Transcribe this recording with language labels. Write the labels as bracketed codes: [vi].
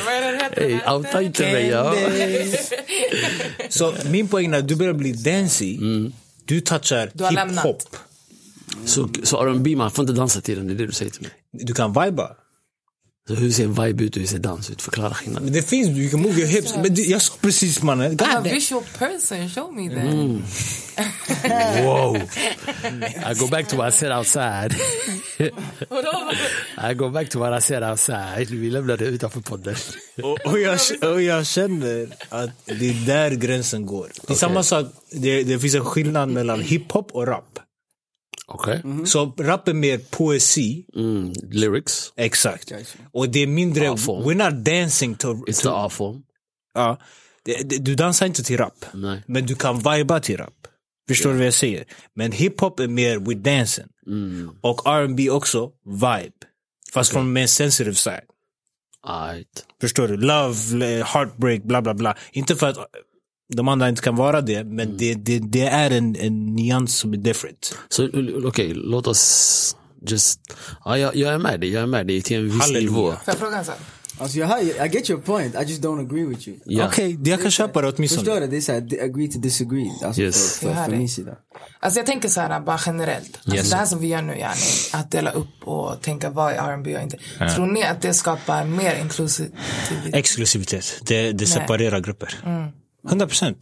[sv] Vad är det här? [en] Hey, I'll take it, yeah. [sv] Så min poäng är att du börjar bli dancy. Du touchar hiphop. Så R&B, man får inte dansa till den, det är det du säger till mig. Du kan viba. Så hur ser vibe ut och hur ser dans ut? Förklara skillnaden. Men det finns, [en] you can move your hips. [sv] Men jag sa precis, man. [en] I'm a visual person, show me that. Wow. I go back to what I said outside. [sv] Vadå? [en] I go back to what I said outside. [sv] Vi lämnar det utanför podden. och jag känner att det är där gränsen går. Det är okay. Samma sak, det finns en skillnad mellan hiphop och rap. [en] Okay. [sv] Mm-hmm. Så rap är mer poesi, [en] lyrics. [sv] Exakt. Och det är mindre R-form. [en] We're not dancing to it's the art form. [sv] Ja. Du dansar inte till rap. Nej. Men du kan viba till rap. Förstår du vad jag säger? Men hiphop är mer [en] with dancing. [sv] Och R&B också vibe. Fast från mer sensitive side. [en] Right. [sv] Förstår du? Love, heartbreak, bla bla bla. Inte för att de andra inte kan vara det, men det är en nyans som är different. Så okej, låt oss just, jag är med dig till en viss nivå. Alltså, [en] I get your point, I just don't agree with you. Yeah. [sv] Okej, okay, jag kan köpa det åtminstone. Förstår du, det är såhär, [en] agree to disagree. [sv] Alltså, [en] yes. [sv] för min sida. Alltså jag tänker såhär, bara generellt. Alltså, yes. Det här som vi gör nu, Jani, att dela upp och tänka vad är R&B och inte. Ja. Tror ni att det skapar mer inklusivitet? Exklusivitet, det separerar grupper. 100%.